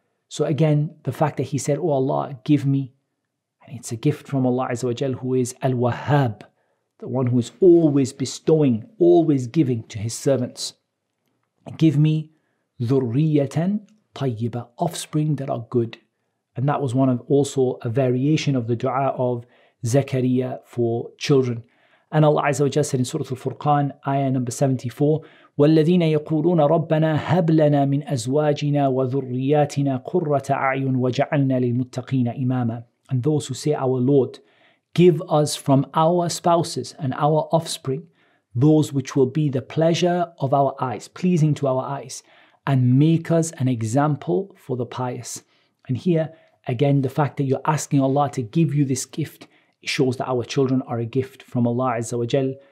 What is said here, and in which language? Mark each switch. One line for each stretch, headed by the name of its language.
English: So again, the fact that he said, oh Allah, give me. And it's a gift from Allah Azza wa Jal, who is Al-Wahhab, the one who is always bestowing, always giving to his servants. Give me
Arabic: ذُرِّيَّةً طَيِّبًا,
English: offspring that are good. And that was one of also a variation of the dua of Zakaria for children. And Allah Azza wa Jal said in Surah Al-Furqan, ayah number 74,
Arabic: والذين يقولون ربنا هب لنا من أزواجنا وذرياتنا قرة أعين وجعلنا للمتقين إماما.
English: And those who say, our Lord, give us from our spouses and our offspring those which will be the pleasure of our eyes, pleasing to our eyes, and make us an example for the pious. And here again, the fact that you're asking Allah to give you this gift, it shows that our children are a gift from Allah Azza wa Jal.